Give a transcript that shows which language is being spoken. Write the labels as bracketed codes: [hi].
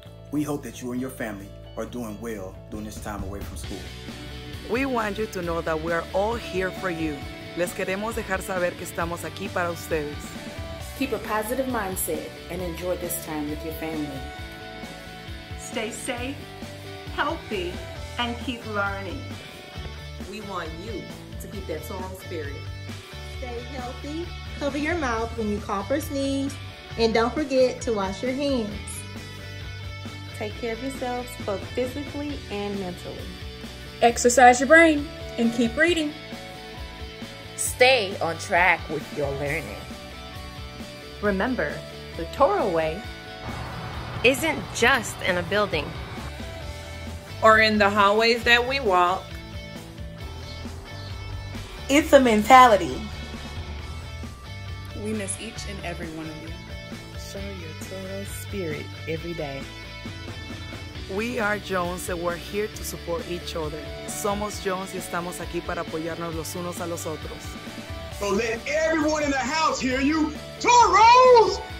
[en] We hope that you and your family are doing well during this time away from school. We want you to know that we are all here for you. [es] Les queremos dejar saber que estamos aquí para ustedes. [en] Keep a positive mindset and enjoy this time with your family. Stay safe, healthy, and keep learning. We want you to keep that strong spirit. Stay healthy, cover your mouth when you cough or sneeze, and don't forget to wash your hands. Take care of yourselves both physically and mentally. Exercise your brain and keep reading. Stay on track with your learning. Remember, the Toro way isn't just in a building or in the hallways that we walk. It's a mentality. We miss each and every one of you. Show your Toro spirit every day. We are Jones and we're here to support each other. [es] Somos Jones y estamos aquí para apoyarnos los unos a los otros. [en] So let everyone in the house hear you. Toros!